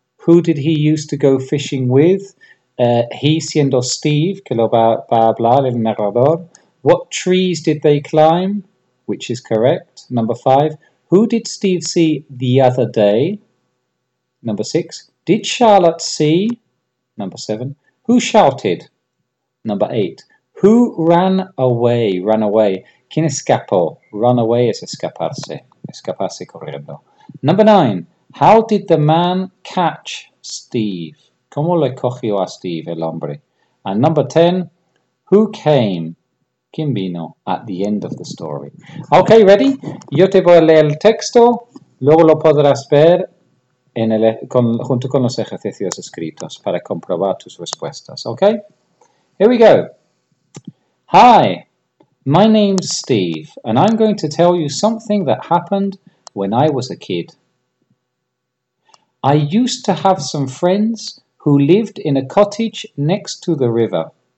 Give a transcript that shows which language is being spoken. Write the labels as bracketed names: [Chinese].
[English] Who did he used to go fishing with? [Spanish] He siendo Steve, que lo va a hablar el narrador. [English] What trees did they climb? Which is correct. Number 5. Who did Steve see the other day? Number 6. Did Charlotte see? Number 7. Who shouted? Number 8. Who ran away? Run away. [Spanish] ¿Quién escapó? [English] Run away [Spanish] es escaparse. Escaparse corriendo. [English] Number 9. How did the man catch Steve? [Spanish] ¿Cómo le cogió a Steve el hombre? [English] And number 10. Who came? [Spanish] ¿Quién vino? [English] At the end of the story. Ok, ready? [Spanish] Yo te voy a leer el texto. Luego lo podrás ver. Junto con los ejercicios escritos para comprobar tus respuestas, ¿ok? [English] Here we go. Hi, my name's Steve, and I'm going to tell you something that happened when I was a kid. I used to have some friends who lived in a cottage next to the river.